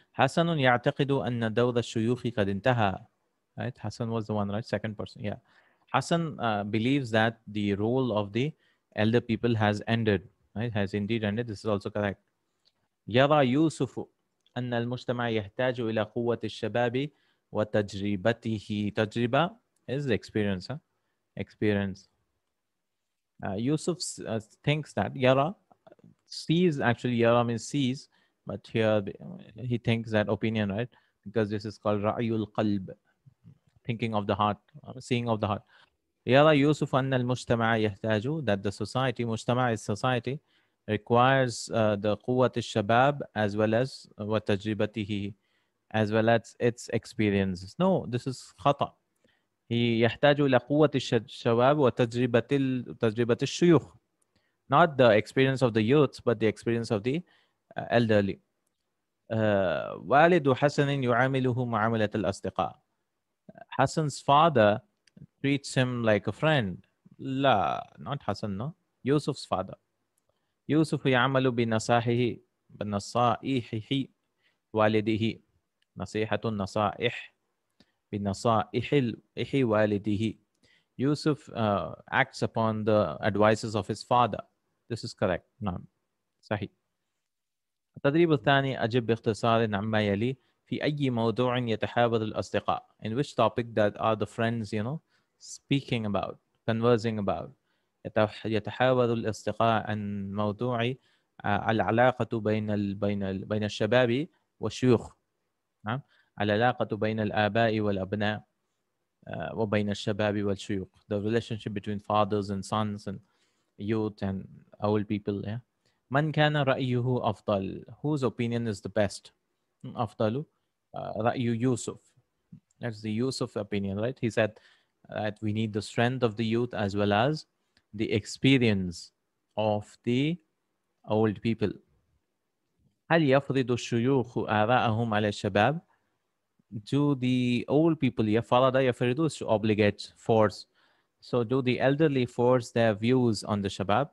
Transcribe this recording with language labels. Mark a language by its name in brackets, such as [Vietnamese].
[Arabic] حسن يعتقد أن دور الشيوخ قد انتهى. [English] Right? Hassan was the one, right? Second person. Yeah. Hassan believes that the role of the elder people has ended. Right? Has indeed ended. This is also correct. [Arabic] يرى يوسف أن المجتمع يحتاج إلى قوة الشباب وتجربته. [English] تجربة is experience. Huh? Experience. Yusuf thinks that Yara sees, actually Yara means sees, but here he thinks that opinion, right? Because this is called Ra'yul Qalb. Thinking of the heart, seeing of the heart. يرى يوسف أن المجتمع يحتاج, that the society, مجتمع is society, requires the [Arabic] قوة الشباب [English] as well as وتجربته, as well as its experiences. No, this is خطأ. [Arabic] He يحتاج إلى قوة الشباب وتجربة الشيوخ. [English] Not the experience of the youth, but the experience of the elderly. [Arabic] والد حسن يعامله معاملة الأصدقاء. [English] Hassan's father treats him like a friend. لا, not Hassan, no. Yusuf's father. [Arabic] يوسف يعمل بنصائحه والده. نصيحة النصائح بنصائح والده. [English] Yusuf acts upon the advices of his father. This is correct. [Arabic] نعم. صحيح. التدريب الثاني أجب باختصار عما يلي. في أي موضوع يتحاور الأصدقاء. [English] In which topic that are the friends, you know, speaking about, conversing about. [Arabic] يتحاور الأصدقاء عن موضوع العلاقة بين الشباب والشيوخ. نعم. العلاقة بين الآباء والأبناء وبين الشباب والشيوخ. [English] The relationship between fathers and sons and youth and old people. Yeah. [Arabic] من كان رأيه أفضل. [English] Whose opinion is the best? أفضل. [Arabic] رأي يوسف. [English] That's the Yusuf opinion, right? He said that we need the strength of the youth as well as the experience of the old people. [Arabic] هل يفرض الشيوخ آراءهم على الشباب؟ [English] Do the old people [Arabic] يفرض يفردوش obligate force? [English] So do the elderly force their views on the شباب?